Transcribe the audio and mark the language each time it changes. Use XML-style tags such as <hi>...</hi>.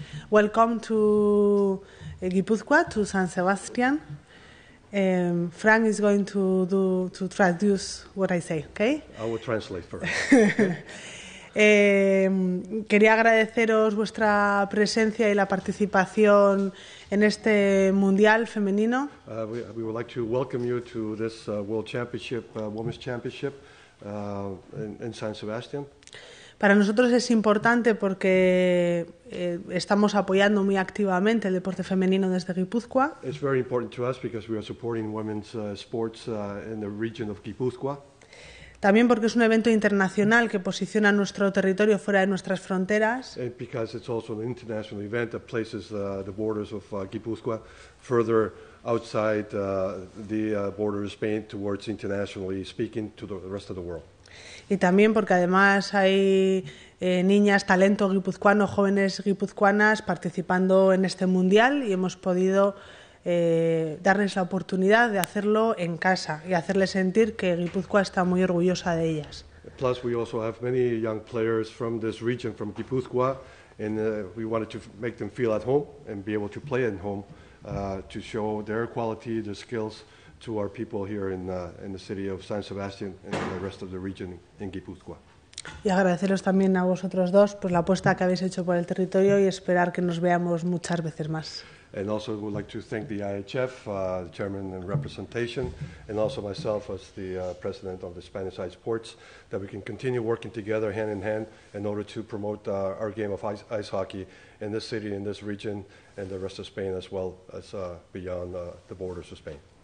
<en>Welcome to Gipuzkoa, to San Sebastián. Frank is going to do to traduce what I say, okay? I will translate first.</en> <es>quería agradeceros vuestra presencia y la participación en este Mundial femenino.</es> <en>We would like to welcome you to this World Championship, Women's Championship in San Sebastián.</en> <es>Para nosotros es importante porque estamos apoyando muy activamente el deporte femenino desde Gipuzkoa.</es> <en>It's very important to us because we are supporting women's sports in the region of Gipuzkoa.</en> <es>También porque es un evento internacional que posiciona nuestro territorio fuera de nuestras fronteras.</es> <en>And because it's also an international event that places the borders of Gipuzkoa further outside the border of Spain towards internationally speaking to the rest of the world.</en> <es>Y también porque además hay niñas, talento guipuzcoano, jóvenes guipuzcoanas participando en este mundial y hemos podido darles la oportunidad de hacerlo en casa y hacerles sentir que Gipuzkoa está muy orgullosa de ellas.</es> <en>Plus, we also have many young players from this region, from Gipuzkoa, and we wanted to make them feel at home and be able to play at home to show their quality, their skills to our people here in the city of San Sebastián and the rest of the region in Gipuzkoa.</en> <es>Y agradeceros también a vosotros dos pues la apuesta que habéis hecho por el territorio y esperar que nos veamos muchas veces más.</es> <en>And also would like to thank the IHF, the chairman and representation, and also myself as the president of the Spanish Ice Sports, that we can continue working together hand in hand in order to promote our game of ice hockey in this city, in this region, and the rest of Spain as well as beyond the borders of Spain.</en>